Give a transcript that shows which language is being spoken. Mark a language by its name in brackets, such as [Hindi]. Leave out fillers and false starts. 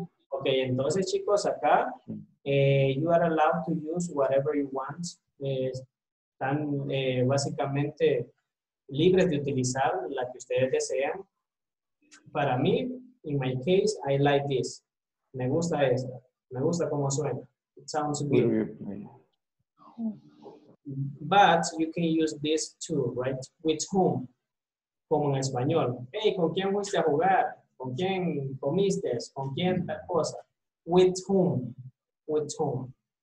[English] Okay, [Spanish] entonces chicos, acá [English] you are allowed to use whatever you want. [Spanish] Están básicamente libres de utilizar la que ustedes desean. Para mí, [English] in my case, I like this. [Spanish] Me gusta esta. Me gusta cómo suena. [English] It sounds good. But you can use this too, right? With whom? [Spanish] Como en español. Hey, ¿con quién fuiste a jugar? ¿Con quién comiste? ¿Con quién tal cosa? [English] With whom? With whom?